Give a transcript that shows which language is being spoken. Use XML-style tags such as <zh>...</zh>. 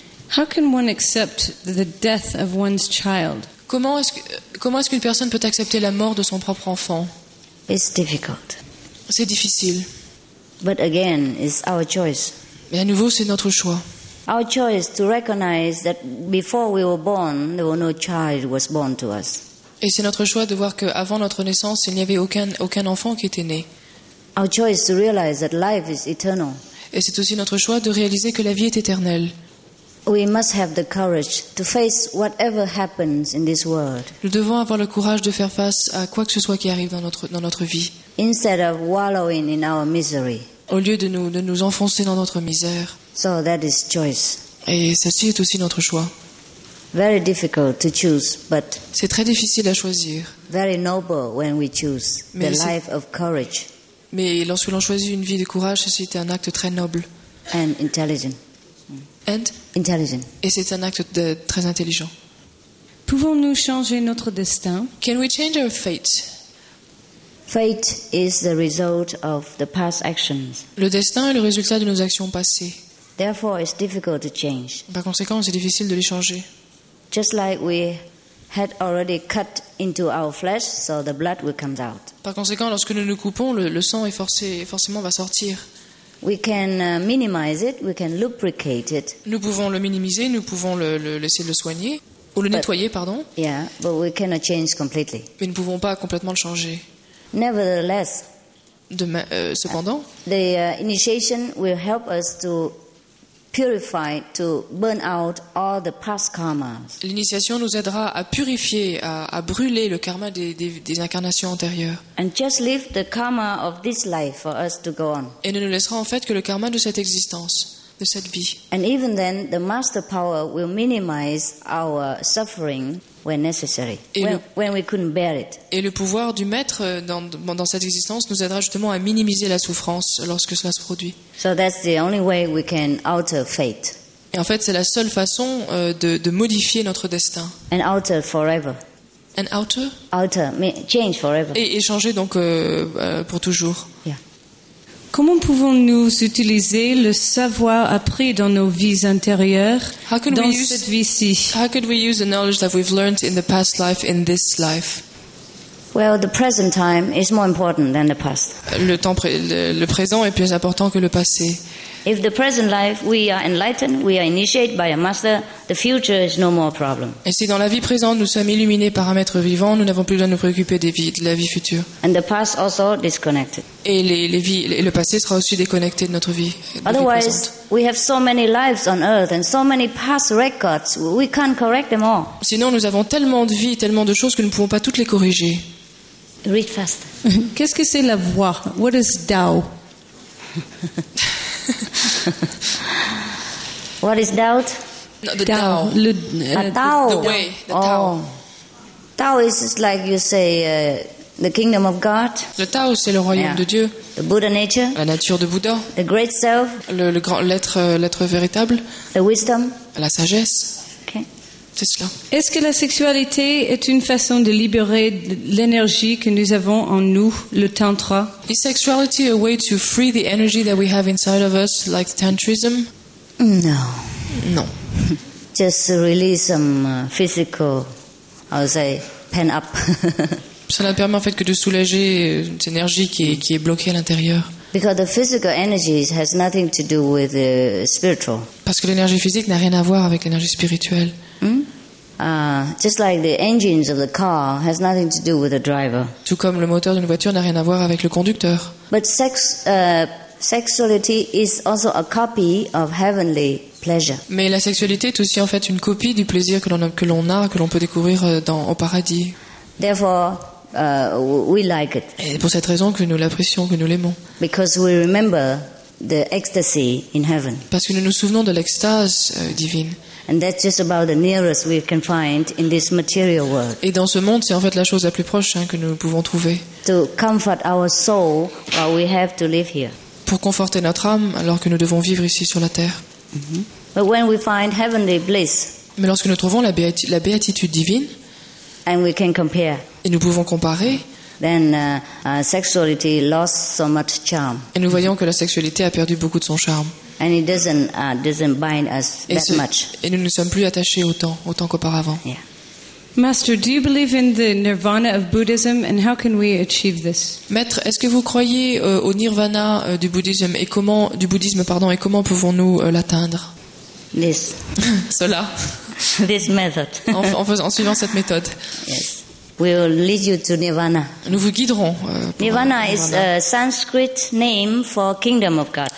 <en>How can one accept the death of one's child?</en> <fr>Comment est-ce qu'une personne peut accepter la mort de son propre enfant?</fr> <en>It's difficult.</en> <fr>C'est difficile.</fr> <en>But again, it's our choice.</en> <fr>Mais à nouveau, c'est notre choix.</fr> <en>Our choice to recognize that before we were born, there was no child was born to us.</en> <fr>Et c'est notre choix de voir que avant notre naissance, il n'y avait aucun enfant qui était né.</fr> <en>Our choice to realize that life is eternal.</en> <fr>Et c'est aussi notre choix de réaliser que la vie est éternelle.</fr> <en>We must have the courage to face whatever happens in this world.</en> <fr>Nous devons avoir le courage de faire face à quoi que ce soit qui arrive dans notre vie.</fr> <en>Instead of wallowing in our misery.</en> <fr>Au lieu de nous enfoncer dans notre misère.</fr> <en>So that is choice.</en> <fr>Et ceci est aussi notre choix.</fr> <en>Very difficult to choose, but</en> <fr>c'est très difficile à choisir.</fr> <en>Very noble when we choose the life of courage.</en> <fr>Mais lorsque l'on choisit une vie de courage, ceci est un acte très noble.</fr> <en>And intelligent. And intelligent.</en> <fr>Et c'est un acte très intelligent. Pouvons-nous changer notre destin?</fr> <en>Can we change our fate? Fate is the result of the past actions.</en> <fr>Le destin est le résultat de nos actions passées.</fr> <en>Therefore, it's difficult to change.</en> <fr>Par conséquent, c'est difficile de les changer.</fr> <en>Just like we had already cut into our flesh, so the blood will come out.</en> <fr>Par conséquent, lorsque nous nous coupons, le sang est forcément va sortir.</fr> <en>We can minimize it. We can lubricate it.</en> <fr>Nous pouvons le minimiser. Nous pouvons laisser le soigner ou le nettoyer, pardon.</fr> <en>Yeah, but we cannot change completely.</en> <fr>Mais nous ne pouvons pas complètement le changer.</fr> <en>Nevertheless,</en> <fr>cependant,</fr> <en>the initiation will help us to purify, to burn out all the past karmas.</en> <fr>L'initiation nous aidera à purifier, à brûler le karma des incarnations antérieures.</fr> <en>And just leave the karma of this life for us to go on.</en> <fr>Et ne nous laissera en fait que le karma de cette existence, de cette vie.</fr> <en>And even then, the master power will minimize our suffering. When necessary, when we couldn't bear it.</en> <fr>Et le pouvoir du maître dans cette existence nous aidera justement à minimiser la souffrance lorsque cela se produit.</fr> <en>So that's the only way we can alter fate.</en> <fr>Et en fait, c'est la seule façon de modifier notre destin.</fr> <en>And alter forever. And alter? Alter, change forever.</en> <fr>Et changer donc pour toujours.</fr> <en>Yeah.</en> <fr>Comment pouvons-nous utiliser le savoir appris dans nos vies intérieures dans cette vie-ci?</fr> <en>How could we use the knowledge that we've learned in the past life in this life? Well, the present time is more important than the past.</en> <fr>Le présent est plus important que le passé.</fr> <en>If the present life we are enlightened, we are initiated by a master, the future is no more a problem.</en> <fr>Et si dans la vie présente nous sommes illuminés par un maître vivant, nous n'avons plus besoin de nous préoccuper de la vie future.</fr> <en>And the past also disconnected.</en> <fr>Et le passé sera aussi déconnecté de notre vie.</fr> <en>Otherwise, we have so many lives on earth and so many past records, we can't correct them all.</en> <fr>Sinon, nous avons tellement de vies, tellement de choses que nous ne pouvons pas toutes les corriger.</fr> <en>Read fast.</en> <fr>Qu'est-ce que c'est la voix?</fr> <en>What is Tao? What is doubt? No, the Tao. Tao. The way. Tao is just like you say the kingdom of God.</en> <fr>Le Tao, c'est le royaume de Dieu.</fr> <en>The Buddha nature.</en> <fr>La nature de Bouddha.</fr> <en>The great self.</en> <fr>Le grand l'être véritable.</fr> <en>The wisdom.</en> <fr>La sagesse.</fr> <en>Okay.</en> <fr>C'est cela. Est-ce que la sexualité est une façon de libérer l'énergie que nous avons en nous, le tantra?</fr> <en>Is sexuality a way to free the energy that we have inside of us, like tantrism? No.</en> <fr>Non.</fr> <en>Just release some physical, I would say, pent up.</en> <fr>Ça ne permet en fait que de soulager une énergie qui est bloquée à l'intérieur.</fr> <en>Because the physical energy has nothing to do with the spiritual.</en> <fr>Parce que l'énergie physique n'a rien à voir avec l'énergie spirituelle.</fr> <en>Just like the engines of the car has nothing to do with the driver.</en> <fr>Tout comme le moteur d'une voiture n'a rien à voir avec le conducteur.</fr> <en>But sexuality is also a copy of heavenly pleasure.</en> <fr>Mais la sexualité est aussi en fait une copie du plaisir que l'on peut découvrir au paradis.</fr> <en>Therefore, we like it.</en> <fr>Et pour cette raison que nous l'apprécions, que nous l'aimons.</fr> <en>Because we remember the ecstasy in heaven.</en> <fr>Parce que nous nous souvenons de l'extase divine.</fr> <en>And that's just about the nearest we can find in this material world.</en> <fr>Et dans ce monde, c'est en fait la chose la plus proche que nous pouvons trouver.</fr> <en>To comfort our soul while we have to live here.</en> <fr>Pour conforter notre âme alors que nous devons vivre ici sur la terre.</fr> <en>Mm-hmm. But when we find heavenly bliss.</en> <fr>Mais lorsque nous trouvons la béatitude divine.</fr> <en>And we can compare.</en> <fr>Et nous pouvons comparer.</fr> <en>Then sexuality lost so much charm.</en> <fr>Et nous voyons que la sexualité a perdu beaucoup de son charme.</fr> <en>And it doesn't bind us that much.</en> <fr>Et nous ne sommes plus attachés autant qu'auparavant.</fr> <en>Yeah. Master, do you believe in the nirvana of Buddhism and how can we achieve this?</en> <fr>Maître, est-ce que vous croyez au nirvana du bouddhisme et comment pouvons-nous l'atteindre?</fr> <en>This.</en> <fr>Cela.</fr> <en>This method.</en> <fr>En suivant cette méthode.</fr> <en>Yes. We will lead you to nirvana.</en> <fr>Nous vous guiderons.</fr> <en>Nirvana is a Sanskrit name for kingdom of God.</en>